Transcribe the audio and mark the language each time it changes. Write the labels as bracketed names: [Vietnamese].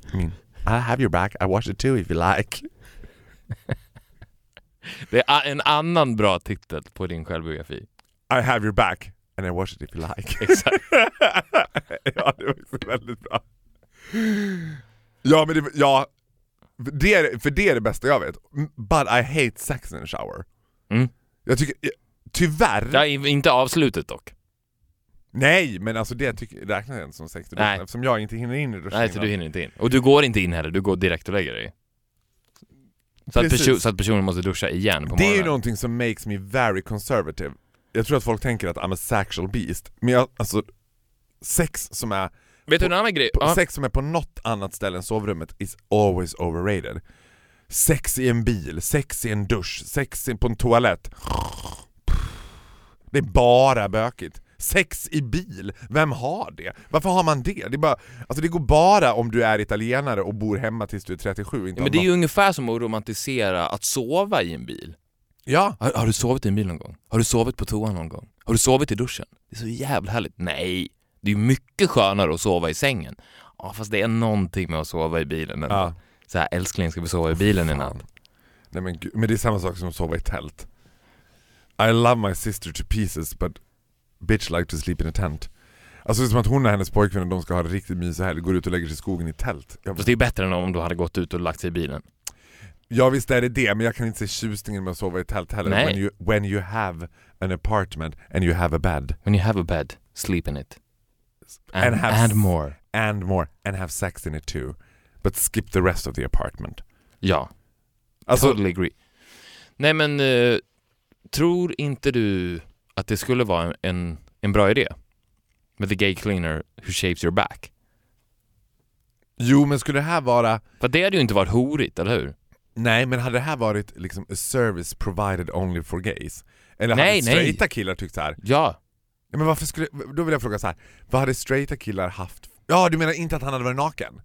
[English] I mean, I have your back. I wash it too if you like. [Swedish] Det är en annan bra titel på din självbiografi. [English] I have your back and I wash it if you like. [Swedish] Exakt. Ja, det var väldigt bra. Ja, men det, ja, För det är det bästa jag vet. [English] But I hate sex in a shower. Mm. [Swedish] Jag tycker, tyvärr... Ja, inte avslutet dock. Nej, men alltså det tycker, räknas inte som sex. Nej. Eftersom jag inte hinner in i duschen. Nej, så du hinner inte in. Och du går inte in heller, du går direkt och lägger dig. Så att personen måste duscha igen på det morgonen. Det är ju någonting som [English] makes me very conservative. [Swedish] Jag tror att folk tänker att [English] I'm a sexual beast. [Swedish] Men jag, alltså, sex som är... Vet du en annan grej? Sex som är på något annat ställe än sovrummet [English] is always overrated. [Swedish] Sex i en bil, sex i en dusch, sex på en toalett. Det är bara bökigt. Sex i bil, vem har det? Varför har man det? Det är bara, alltså det går bara om du är italienare och bor hemma tills du är 37. Inte, men det är ju ungefär som att romantisera att sova i en bil. Ja. Har du sovit i en bil någon gång? Har du sovit på toan någon gång? Har du sovit i duschen? Det är så jävla härligt. Nej. Det är mycket skönare att sova i sängen. Ja, fast det är någonting med att sova i bilen. Ja. Så här, älskling, ska vi sova i bilen i natt? Nej, men gud. Men det är samma sak som att sova i tält. [English] I love my sister to pieces, but bitch like to sleep in a tent. [Swedish] Alltså, det är som att hon och hennes pojkvän, de ska ha det riktigt mysigt här. Går ut och lägger sig i skogen i tält. Fast det är bättre än om du hade gått ut och lagt sig i bilen. Ja, visst är det, men jag kan inte se tjusningen med att sova i tält heller. Nej. [English] When you have an apartment and you have a bed. When you have a bed, sleep in it. And more. And have sex in it too. But skip the rest of the apartment. [Swedish] Ja. Alltså, [English] totally agree. [Swedish] Nej, men tror inte du att det skulle vara en bra idé? Med [English] the gay cleaner who shaves your back. [Swedish] Jo, men skulle det här vara... För det hade ju inte varit horigt, eller hur? Nej, men hade det här varit liksom [English] a service provided only for gays? [Swedish] Eller hade straighta killar tyckt så här? Ja. Men varför skulle, då vill jag fråga så här, vad hade straighta killar haft? Ja, du menar inte att han hade varit naken?